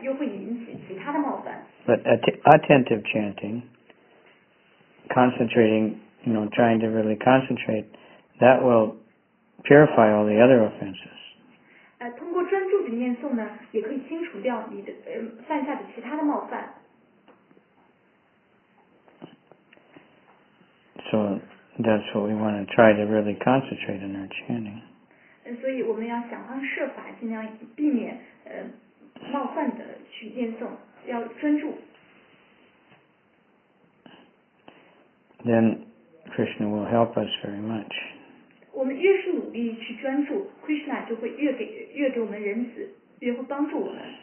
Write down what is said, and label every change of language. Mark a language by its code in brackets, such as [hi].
[zh] 这种冒犯呢，又会引起其他的冒犯。But [en] attentive chanting, concentrating, you know, trying to really concentrate, that will purify all the other offenses. [zh] 通过专注的念诵呢，也可以清除掉你的犯下的其他的冒犯。 [en] So that's what we want to try to really concentrate in our chanting. [zh] 所以我们要想方设法尽量避免冒犯的去念诵，要专注。 [en] Then Krishna will help us very much. [zh] 我们越是努力去专注 Krishna 就会越给我们仁慈越会帮助我们